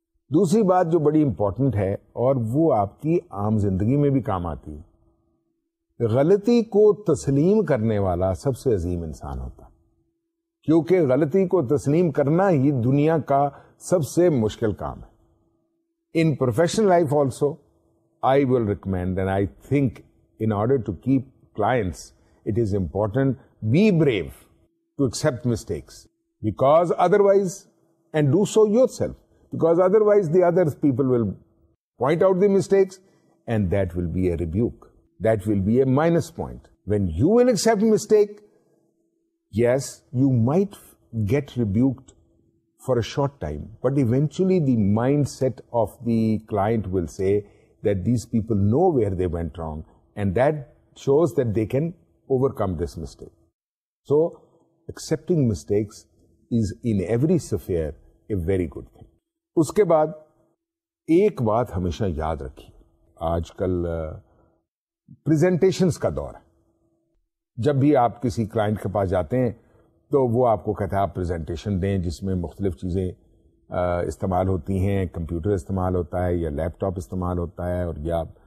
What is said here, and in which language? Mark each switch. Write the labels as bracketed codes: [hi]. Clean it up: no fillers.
[ur] دوسری بات جو بڑی امپورٹنٹ ہے اور وہ آپ کی عام زندگی میں بھی کام آتی, غلطی کو تسلیم کرنے والا سب سے عظیم انسان ہوتا, کیونکہ غلطی کو تسلیم کرنا ہی دنیا کا سب سے مشکل کام ہے. [en] In professional life also, I will recommend and I think in order to keep clients, it is important, be brave to accept mistakes. Because otherwise, and do so yourself, because otherwise the other people will point out the mistakes and that will be a rebuke. That will be a minus point. When you will accept a mistake, yes, you might get rebuked for a short time, but eventually the mindset of the client will say that these people know where they went wrong, and that shows that they can overcome this mistake. So accepting mistakes is in every sphere a very good thing. [ur] Uske baad ek baat hamesha yaad rakhiye, aaj kal presentations ka daur hai, jab bhi aap kisi client ke paas jaate hain تو وہ آپ کو کہتا ہے آپ presentation دیں جس میں مختلف چیزیں استعمال ہوتی ہیں, کمپیوٹر استعمال ہوتا ہے یا لیپ ٹاپ استعمال ہوتا ہے اور یا